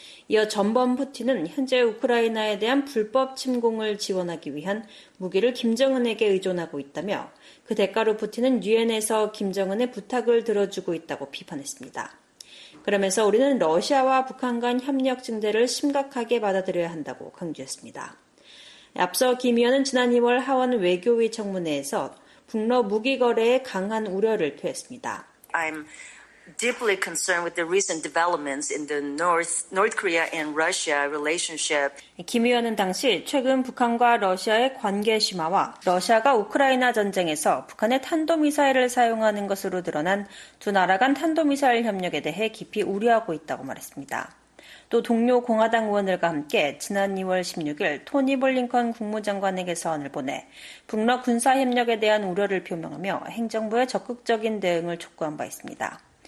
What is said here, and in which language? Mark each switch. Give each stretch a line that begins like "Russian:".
Korean: 이어 전범 푸틴은 현재 우크라이나에 대한 불법 침공을 지원하기 위한 무기를 김정은에게 의존하고 있다며 그 대가로 푸틴은 유엔에서 김정은의 부탁을 들어주고 있다고 비판했습니다. 그러면서 우리는 러시아와 북한 간 협력 증대를 심각하게 받아들여야 한다고 강조했습니다. 앞서 김 의원은 지난 2월 하원 외교위 청문회에서 북러 무기 거래에 강한 우려를 표했습니다.
English: I'm deeply concerned with the recent developments in the North Korea and Russia relationship.
Korean: 김 의원은 당시 최근 북한과 러시아의 관계 심화와 러시아가 우크라이나 전쟁에서 북한의 탄도미사일을 사용하는 것으로 드러난 두 나라 간 탄도미사일 협력에 대해 깊이 우려하고 있다고 말했습니다. 또 동료 공화당 의원들과 함께 지난 2월 16일 토니 블링컨 국무장관에게 서한을 보내 북러 군사협력에 대한 우려를 표명하며 행정부의 적극적인 대응을 촉구한 바 있습니다.